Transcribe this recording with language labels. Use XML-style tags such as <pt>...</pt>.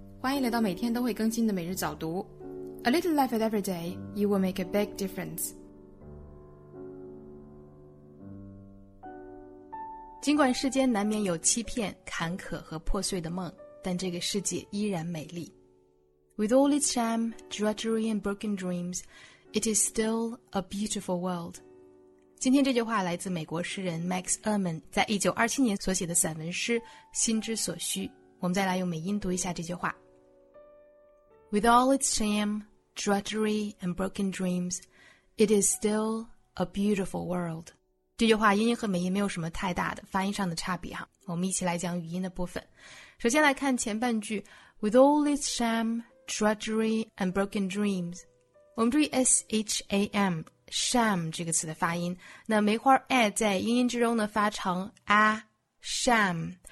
<zh>欢迎来到每天都会更新的每日早读。</zh> <en>A little life at every day, you will make a big difference.</en> <zh>尽管世间难免有欺骗、坎坷和破碎的梦，但这个世界依然美丽。</zh> <en>With all its sham, drudgery and broken dreams, it is still a beautiful world.</en> <zh>今天这句话来自美国诗人 Max Ehrman 在1927年所写的散文诗《心之所需》。我们再来用美音读一下这句话。</zh> <en>With all its sham, drudgery and broken dreams, it is still a beautiful world.</en> <zh>这句话音和美音没有什么太大的发音上的差别哈。我们一起来讲语音的部分。首先来看前半句</zh> <en>,With all its sham,Drudgery and broken dreams.</en> <zh>我们注意 sham, sham 这个词的发音。那梅花 a 在英音之中呢发成 a, sham。</zh>